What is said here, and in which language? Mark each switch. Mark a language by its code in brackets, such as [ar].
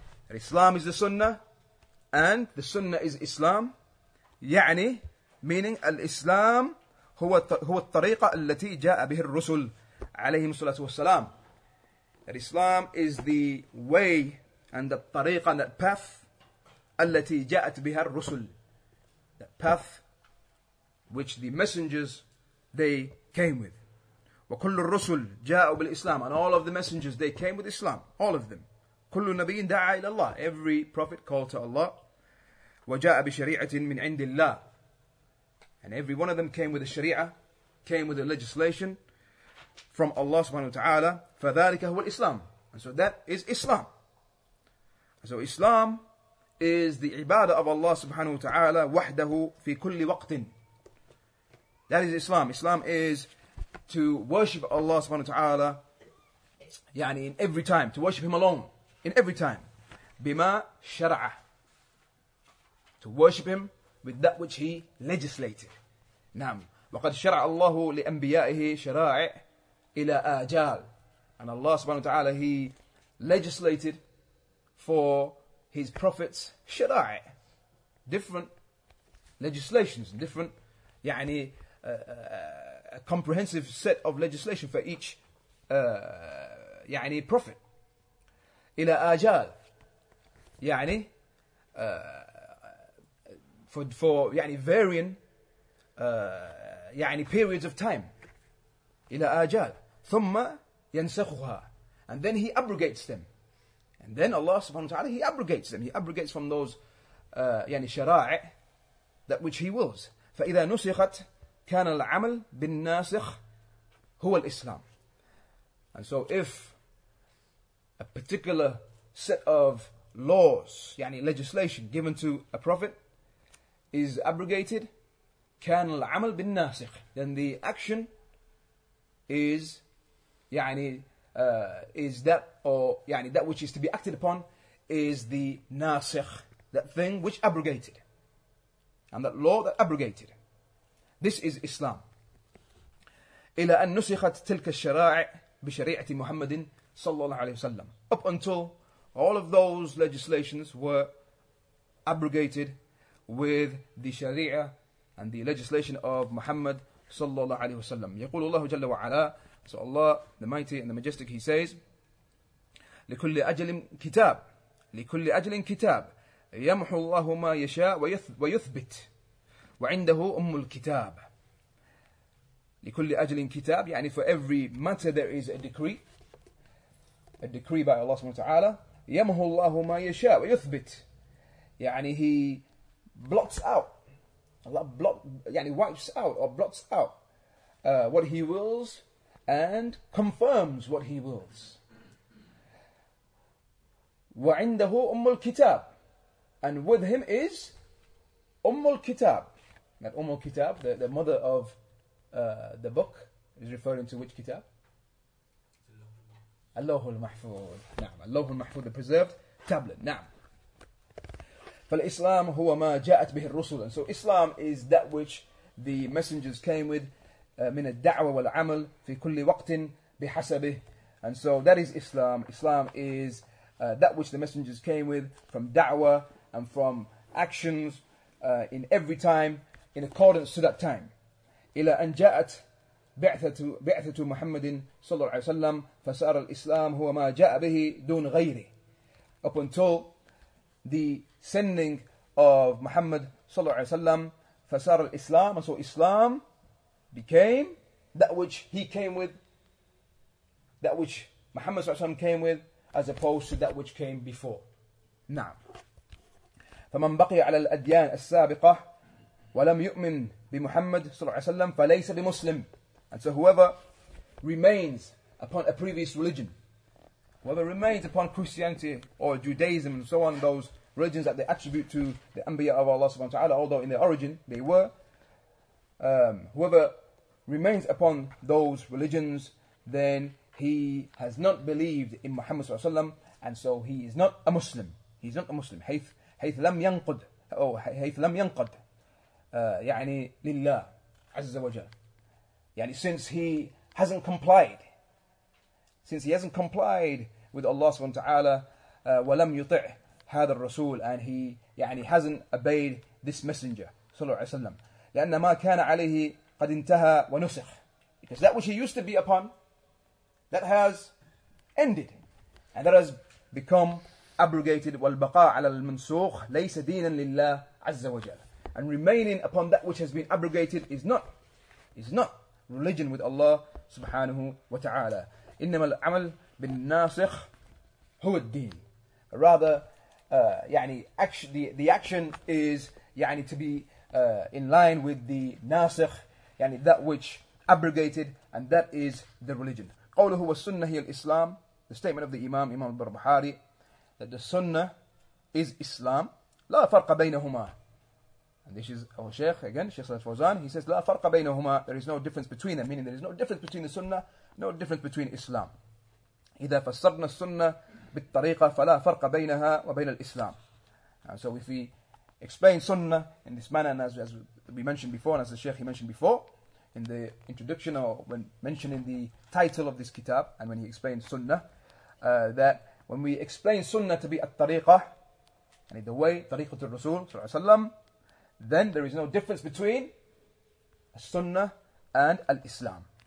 [en] الإسلام is the Sunnah and the Sunnah is Islam. [ar] يعني meaning الإسلام هو الطريقة التي جاء به الرسل عليهم الصلاة والسلام. [en] الإسلام is the way and the طريقة and the path [ar] التي جاءت بها الرسل. [en] The path which the messengers they came with. [ar] وكل الرسل جاءوا بالإسلام, [en] and all of the messengers they came with Islam, all of them. [ar] كل نبي دعا إلى الله, [en] every prophet called to Allah, [ar] وجاء بشريعة من عند الله, [en] and every one of them came with a Sharia, came with a legislation from Allah subhanahu wa ta'ala. [ar] فذلك هو الإسلام, [en] and so that is Islam. So Islam is the ibadah of Allah subhanahu wa ta'ala [ar] وحده في كل وقت. [en] That is Islam. Islam is to worship Allah subhanahu wa ta'ala, يعني in every time, to worship Him alone, in every time. [ar] بما شرع, [en] to worship Him with that which He legislated. [ar] نعم. وقد شرع الله لأنبيائه شرائع إلى آجال. [en] And Allah subhanahu wa ta'ala, He legislated for His prophets شرائع, different legislations, different, يعني a comprehensive set of legislation for each يعني prophet. [ar] إلى آجال, [en] يعني for يعني varying يعني periods of time. [ar] إلى آجال ثم ينسخها, [en] and then He abrogates them, and then Allah subhanahu wa ta'ala, He abrogates them, He abrogates from those يعني شرائع that which He wills. [ar] فإذا نسخت كان العمل بالناسخ هو الإسلام. [en] And so if a particular set of laws, يعني legislation given to a prophet is abrogated, [ar] كان العمل بالناسخ, [en] then the action is يعني is that, or يعني that which is to be acted upon is the ناسخ, that thing which abrogated, and that law that abrogated. This is Islam. [ar] إلى أن نسخت تلك الشرائع بشريعة محمد صلى الله عليه وسلم. [en] Up until all of those legislations were abrogated with the Sharia and the legislation of Muhammad صلى الله عليه وسلم. [ar] يقول الله جل وعلا, [en] so Allah the Mighty and the Majestic, He says, [ar] لكل أجل كتاب, لكل أجل كتاب, يمحو الله ما يشاء ويثبت. وعنده أم الكتاب لكل أجل كتاب, [en] يعني for every matter there is a decree by Allah subhanahu wa ta'ala. [ar] يمحو الله ما يشاء ويثبت, [en] يعني He blots out, Allah يعني wipes out or blots out what He wills and confirms what He wills. [ar] وعنده أم الكتاب, [en] and with Him is [ar] أم الكتاب. [en] That Umm al-Kitab, the mother of the book, is referring to which kitab? Allahu al-Mahfud. Naam. Allahu al-Mahfud, the preserved tablet. Naam. [ar] فالإسلام هو ما جاءت به الرسل. [en] And so Islam is that which the messengers came with, [ar] من الدعوة والعمل في كل وقت بحسبه. [en] And so that is Islam. Islam is that which the messengers came with from da'wah and from actions in every time, in accordance to that time. [ar] إلى أن جاءت بعثة محمد صلى الله عليه وسلم فسار الإسلام هو ما جاء به دون غيره. [en] Up until the sending of Muhammad صلى الله عليه وسلم [ar] فسار الإسلام, [en] so Islam became that which he came with, that which Muhammad SAW came with, as opposed to that which came before. [ar] Na'am. فَمَنْ بَقِيَ عَلَى الْأَدْيَانِ السَّابِقَةِ وَلَمْ يُؤْمِنْ بِمُحَمَّدْ صَلَى اللَّهِ عَلَيْهِ وَسَلَّمْ فَلَيْسَ بِمُسْلِمٍ. [en] And so whoever remains upon a previous religion, whoever remains upon Christianity or Judaism and so on, those religions that they attribute to the Anbiya of Allah subhanahu wa ta'ala, although in their origin they were, whoever remains upon those religions, then he has not believed in Muhammad sallallahu alayhi wa sallam, and so he is not a Muslim. He's not a Muslim. [ar] حيث لم ينقد أو حيث لم ينقد يعني لله عز وجل. [en] يعني since he hasn't complied, since he hasn't complied with Allah subhanahu wa ta'ala, [ar] ولم يطع هذا الرسول, [en] and he يعني hasn't obeyed this messenger صلى الله عليه وسلم. [ar] لأن ما كان عليه قد انتهى ونسخ. [en] Because that which he used to be upon, that has ended, and that has become abrogated. [ar] والبقاء على المنسوخ ليس دينا لله عز وجل. [en] And remaining upon that which has been abrogated is not religion with Allah سبحانه وتعالى. [ar] إنما العمل بالناسخ هو الدين. [en] Rather, the action is يعني to be in line with the ناسخ, يعني that which abrogated, and that is the religion. [ar] قوله هو السنة هي الإسلام. [en] The statement of the Imam al-Barbahari, that the Sunnah is Islam. [ar] لا فرق بينهما. [en] And this is our Sheikh again, Sheikh Salah Fawzan. He says [ar] لا فرق بينهما. [en] There is no difference between them. Meaning there is no difference between the Sunnah, no difference between Islam. [ar] إذا فسرنا السنة بالطريقة فلا فرق بينها وبين الإسلام. [en] And so if we explain Sunnah in this manner, and as we mentioned before, and as the Sheikh he mentioned before, in the introduction or when mentioning the title of this kitab, and when he explained Sunnah, that when we explain Sunnah to be at-tariqah, and in the way, tariqatul Rasul, sallallahu alayhi wa sallam, then there is no difference between Sunnah and al-Islam.